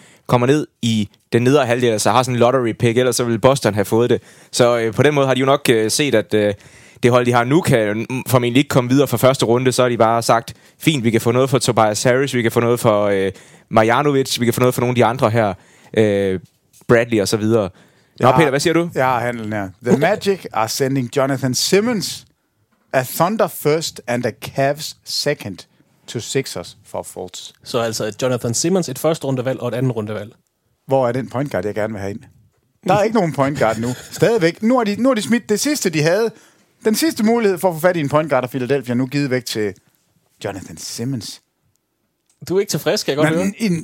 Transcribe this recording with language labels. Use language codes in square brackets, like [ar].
[da] kommer ned i den nedre halvdel, så altså har sådan en lottery pick, ellers så vil Boston have fået det. Så på den måde har de jo nok set, at det hold, de har nu, kan formentlig ikke komme videre fra første runde. Så har de bare sagt, fint, vi kan få noget for Tobias Harris, vi kan få noget for Marjanovic, vi kan få noget for nogle af de andre her, Bradley og så videre. Nå, Peter, hvad siger du? Jeg har handlen her. [en] The Magic are sending Jonathan Simmons a Thunder first and a Cavs second. To Sixers for Fultz. [da] Så altså Jonathan Simmons, et første rundevalg og et andet rundevalg. Hvor er den point guard, jeg gerne vil have ind? Der er ikke nogen point guard nu. Stadigvæk. Nu har de smidt det sidste, de havde. Den sidste mulighed for at få fat i en point guard af Philadelphia, nu givet væk til Jonathan Simmons. Du er ikke tilfreds, kan jeg godt høre.